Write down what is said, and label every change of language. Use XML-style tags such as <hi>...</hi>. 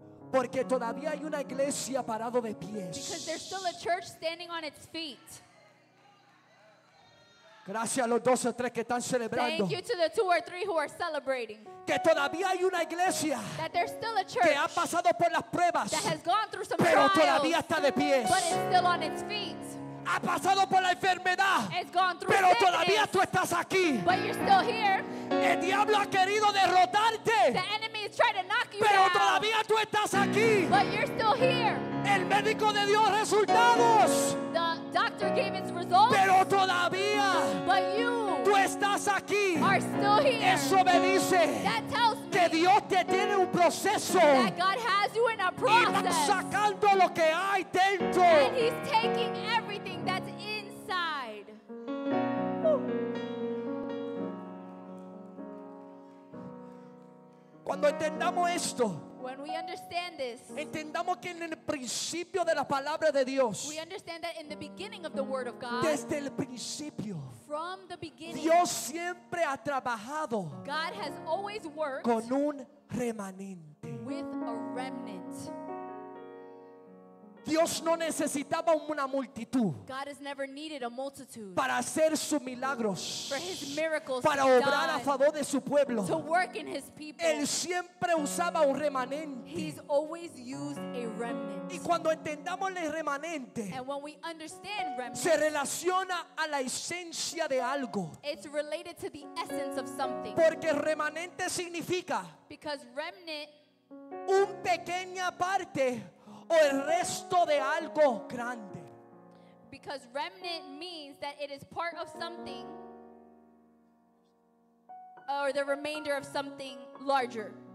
<es>Porque todavía hay una iglesia parado de pies.</es> <en>Because there's still a church standing on its feet.</en> <es>Gracias a los dos o tres que están celebrando.</es> <en>Thank you to the two or three who are celebrating.</en> <es>Que todavía hay una iglesia.</es> <en>That there's still a church.</en> <es>Que ha pasado por las pruebas.</es> <en>That has gone through some</en> <es>pero</es> <en>trials.</en> <es>Pero todavía está de pies.</es> <en>But it's still on its feet.</en> <es>Ha pasado por la enfermedad.</es> <en>It's gone through</en> <es>pero</es> <en>sickness.</en> <es>Todavía tú estás aquí.</es> <en>But you're still here.</en> <es>El diablo ha querido derrotarte.</es> <en>The enemy is trying to knock you</en> <es>pero</es> <en>down.</en> <es>Todavía tú estás aquí.</es> <en>But you're still here.</en> <es>El médico de Dios resultados.</es> <en>The doctor gave his results.</en> <es>Pero todavía.</es> <en>But you.</en> <es>Tú estás aquí.</es> <en>Are still here.</en> <es>Eso me dice.</es> <en>That tells me.</en> <es>Que Dios te tiene un proceso.</es> <en>That God has you in a process.</en> <es>Y van sacando lo que hay dentro.</es> <en>And he's taking everything that's inside.</en> <es>Cuando entendamos esto,</es> <en>when we understand this,</en> <es>entendamos que en el principio de la palabra de Dios,</es> <en>we understand that in the beginning of the word of God,</en> <es>desde el principio,</es> <en>from the beginning,</en> <es>Dios siempre ha trabajado,</es> <en>God has always worked</en> <es>con un remanente,</es> <en>with a remnant.</en> <es>Dios no necesitaba una multitud,</es> <en>God has never needed a multitude</en> <es>para hacer sus milagros,</es> <en>for his miracles</en> <es>para obrar</es> <en>done,</en> <es>a favor de su pueblo,</es> <en>to work in his people.</en> <es>Él siempre usaba un remanente.</es> <en>He's always used a remnant.</en> <es>Y cuando entendamos el remanente,</es> <en>and when we understand remnant,</en> <es>se relaciona a la esencia de algo.</es> <en>It's related to the essence of something.</en> <es>Porque remanente significa</es> <en>because remnant</en> <es>un pequeña parte o el resto de algo grande.</es> <en>because remnant means that it is part of something or the remainder of something larger.</en>